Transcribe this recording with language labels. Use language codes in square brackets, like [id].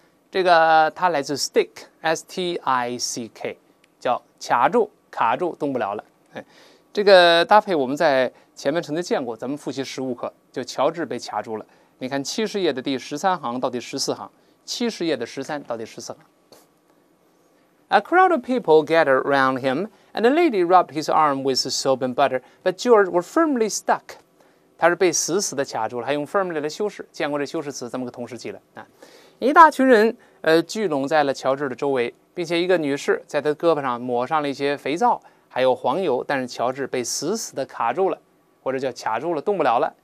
[zh] 这个它来自 stick S-T-I-C-K， 叫卡住卡住动不了了。这个搭配我们在前面曾经见过，咱们复习15课就乔治被卡住了。你看70页的第13行到第14行，70页的13到第14行。 [en] A crowd of people gathered around him, and the lady rubbed his arm with soap and butter, but George was firmly stuck. [zh] 他是被死死地卡住了，还用 firmly 来修饰，见过这修饰词，这么个同时记了。一大群人聚拢在了乔治的周围，并且一个女士在他胳膊上抹上了一些肥皂，还有黄油，但是乔治被死死地卡住了，或者叫卡住了，动不了了。